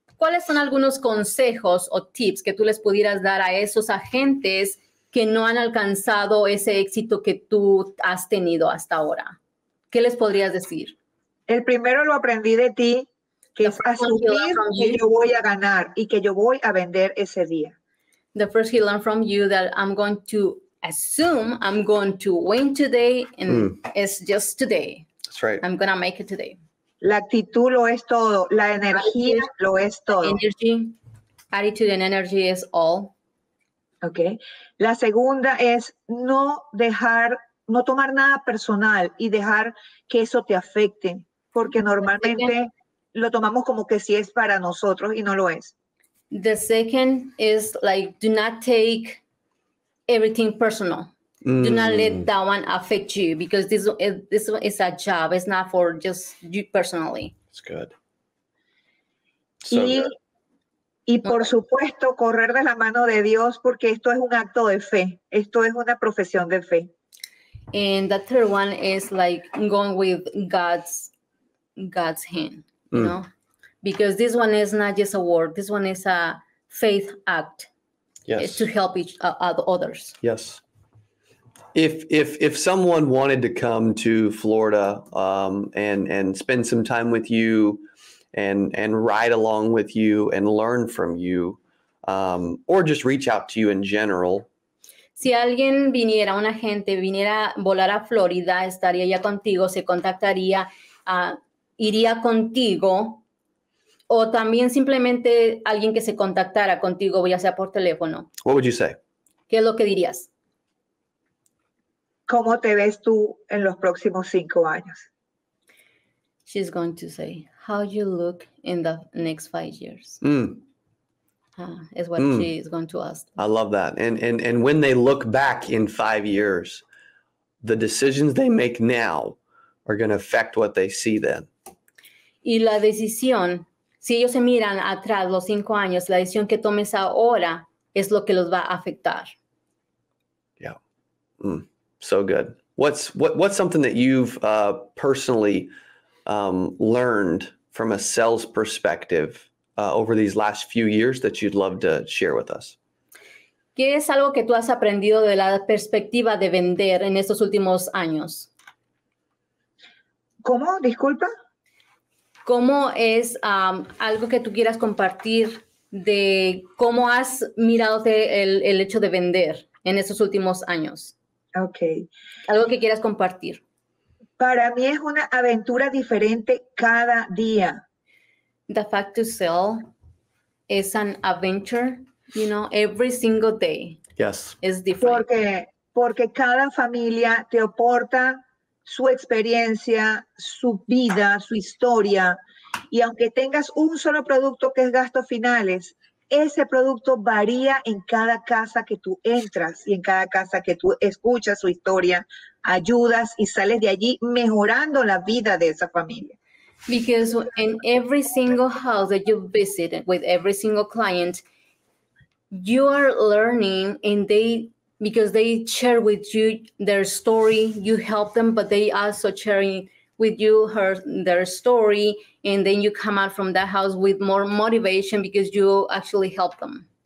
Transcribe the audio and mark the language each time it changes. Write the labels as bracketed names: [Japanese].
[Spanish] ¿Cuáles son algunos consejos o tips que tú les pudieras dar a esos agentes que no han alcanzado ese éxito que tú has tenido hasta ahora? ¿Qué les podrías decir? El primero lo aprendí de ti, que es asumir que yo voy a ganar y que yo voy a vender ese día. [English] The first he learned from you that I'm going to assume I'm going to win today and it's just today. That's right. I'm going to make it today. [Spanish] La actitud lo es todo. La energía lo es todo. [English] Energy, attitude and energy is all. Okay. [Spanish] La segunda es no dejar, no tomar nada personal y dejar que eso te afecte. Porque normalmente lo tomamos como que sí es para nosotros y no lo es. [English] The second is like, do not take everything personal. Mm. Do not let that one affect you because this is a job. It's not for just you personally. It's good. [Spanish] Y por supuesto, correr de la mano de Dios porque esto es un acto de fe. Esto es una profesión de fe. [English] And the third one is like going with God's hand, you know? Because this one is not just a word. This one is a faith act. Yes. It's to help each others. Yes. If someone wanted to come to Florida and spend some time with you and ride along with you and learn from you, or just reach out to you in general. [Spanish] Si alguien viniera, una gente viniera a volar a Florida, estaría ya contigo, se contactaría, iría contigo. O también simplemente alguien que se contactara contigo, ya sea por teléfono. [English] What would you say? [Spanish] ¿Qué es lo que dirías? ¿Cómo te ves tú en los próximos 5 años? [English] She's going to say, how you look in the next 5 years? Is what she is going to ask. I love that. And when they look back in 5 years, the decisions they make now are going to affect what they see then. [Spanish] Y la decisión... Si ellos se miran atrás los 5 años, la decisión que tomes ahora es lo que los va a afectar. [English] Yeah. Mm, so good. What's something that you've personally learned from a sales perspective over these last few years that you'd love to share with us? [Spanish] ¿Qué es algo que tú has aprendido de la perspectiva de vender en estos últimos años? ¿Cómo? Disculpa. ¿Cómo es algo que tú quieras compartir de cómo has mirado el hecho de vender en estos últimos años? Ok. Algo que quieras compartir. Para mí es una aventura diferente cada día. [English] The fact to sell is an adventure, you know, every single day. Yes. Is different. [Spanish] Porque cada familia te aporta su experiencia, su vida, su historia. Y aunque tengas un solo producto que es gastos finales, ese producto varía en cada casa que tú entras y en cada casa que tú escuchas su historia, ayudas y sales de allí mejorando la vida de esa familia. [English] Because in every single house that you visit with every single client, you are learning and they... Because they share with you their story, you help them, but they also sharing with you their story, and then you come out from that house with more motivation because you actually help them.